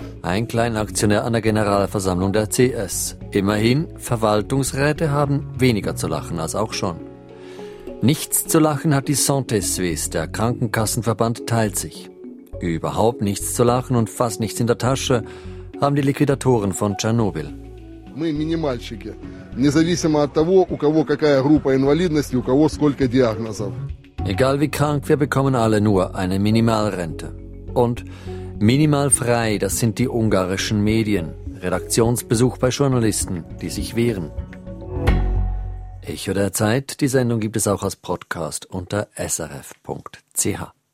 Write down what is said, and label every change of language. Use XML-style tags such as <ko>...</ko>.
<de>Ein Kleinaktionär an der Generalversammlung der CS. Immerhin, Verwaltungsräte haben weniger zu lachen als auch schon. Nichts zu lachen hat die Santé Suisse, der Krankenkassenverband teilt sich. Überhaupt nichts zu lachen und fast nichts in der Tasche haben die Liquidatoren von Tschernobyl.</de> <ru>Мы минимальщики, независимо от того, у кого какая группа инвалидности, у кого сколько диагнозов.</ru> <de>Egal wie krank, wir bekommen alle nur eine Minimalrente. Und minimal frei, das sind die ungarischen Medien. Redaktionsbesuch bei Journalisten, die sich wehren. Echo der Zeit, die Sendung gibt es auch als Podcast unter srf.ch.</de>